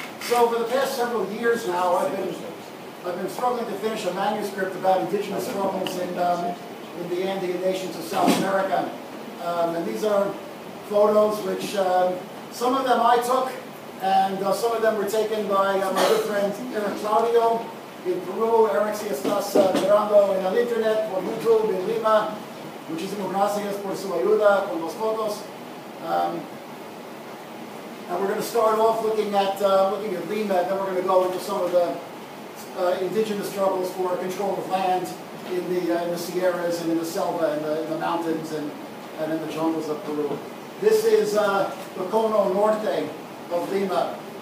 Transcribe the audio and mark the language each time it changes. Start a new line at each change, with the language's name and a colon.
English: So for the past several years now, I've been struggling to finish a manuscript about indigenous struggles in the Andean nations of South America. And these are photos which some of them I took, and some of them were taken by my good friend Eric Claudio in Peru.
Spanish: Eric, si estás mirando en el internet, por YouTube, en Lima. Muchísimas gracias por su ayuda con las fotos.
English: And we're going to start off looking at Lima, and then we're going to go into some of the indigenous struggles for control of land in the Sierras and in the selva and in the mountains and in the jungles of Peru. This is the Cono Norte of Lima.